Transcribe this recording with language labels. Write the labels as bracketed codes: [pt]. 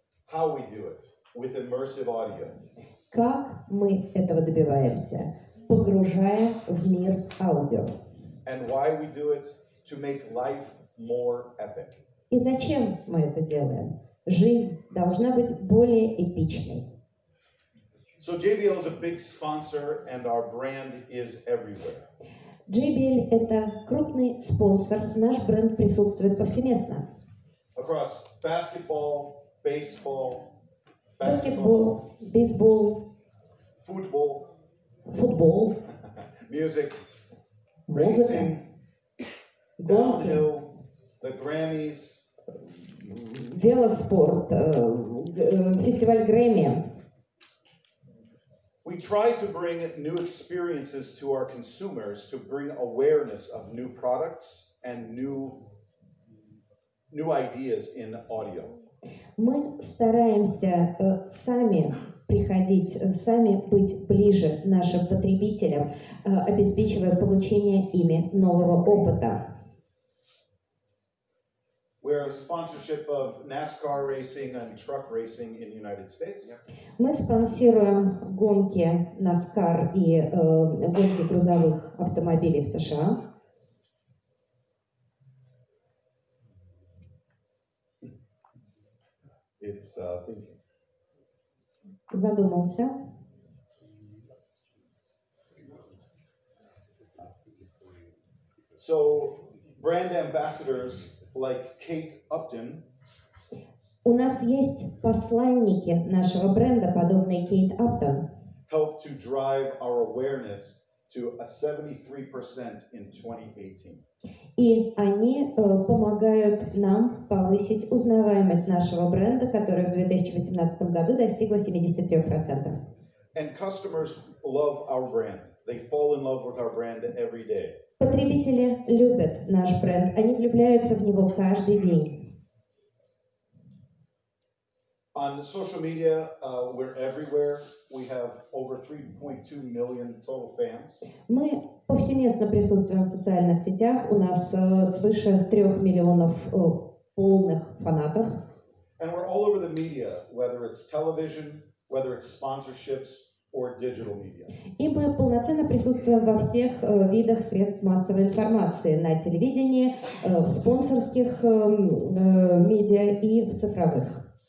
[en] How we do it? With immersive audio. [ru] Как мы этого добиваемся? Погружая в мир аудио. [en] And why we do it? To make life more epic. [ru] И зачем мы это делаем? Жизнь должна быть более эпичной. [en] So JBL is a big sponsor and our brand is everywhere. [ru] JBL – это крупный спонсор. Наш бренд присутствует повсеместно. [en] Across basketball, baseball, basketball, baseball, football, football, music, racing, downhill, the Grammys, [ru] велоспорт, фестиваль Грэмми. [en] We try to bring new experiences to our consumers to bring awareness of new products and new ideas in audio. [ru] Мы стараемся сами приходить, сами быть ближе нашим потребителям, обеспечивая получение ими нового опыта. [en] We're a sponsorship of NASCAR racing and truck racing in the United States. [ru] Мы спонсируем гонки NASCAR и гонки грузовых автомобилей в США. [en] It's thinking. [ru] Задумался. [en] So, brand ambassadors like Kate Upton. [ru] У нас есть посланники нашего бренда, подобные Kate Upton. [en] Help to drive our awareness to a 73% in 2018. [ru] И они помогают нам повысить узнаваемость нашего бренда, который в 2018 году достигла 73%. [en] And customers love our brand. They fall in love with our brand every day. [ru] Потребители любят наш бренд. Они влюбляются в него каждый день. [en] On social media, we're everywhere. We have over 3.2 million total fans. [ru] Мы повсеместно присутствуем в социальных сетях. У нас свыше 3 миллионов полных фанатов. [en] And we're all over the media, whether it's television, whether it's sponsorships, or digital media. [ru] И мы полноценно присутствуем во всех видах средств массовой информации, на телевидении, в спонсорских медиа и в цифровых.